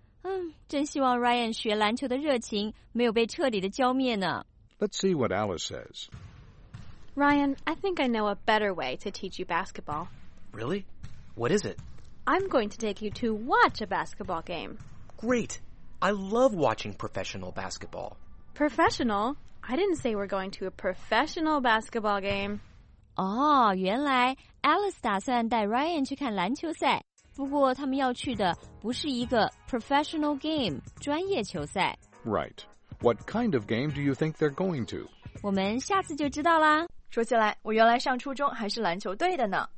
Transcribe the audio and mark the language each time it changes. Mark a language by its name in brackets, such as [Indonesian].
[Chinese] 嗯，真希望 Ryan 学篮球的热情没有被彻底的浇灭呢。 [English] Let's see what Alice says. Ryan, I think I know a better way to teach you basketball. Really? What is it? I'm going to take you to watch a basketball game. Great! I love watching professional basketball. Professional? I didn't say we're going to a professional basketball game. [Chinese] 哦，原来 Alice 打算带 Ryan 去看篮球赛，不过他们要去的不是一个 professional game 专业球赛。 [English] Right. What kind of game do you think they're going to? [Chinese] 我们下次就知道啦。说起来，我原来上初中还是篮球队的呢。